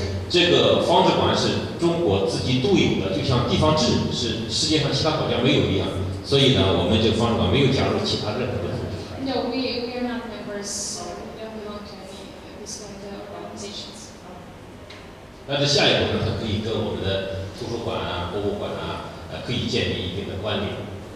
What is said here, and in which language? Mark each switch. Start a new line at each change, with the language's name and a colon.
Chinese: 这个方志馆是中国自己独有的，就像地方志是世界上其他国家没有一样，所以呢，我们这个方志馆没有加入其他任何的组织。
English: No, we are not members, so we don't belong to any this kind of organizations.
Chinese: 那这下一步呢，它可以跟我们的图书馆啊、博物馆啊，可以建立一定的关联。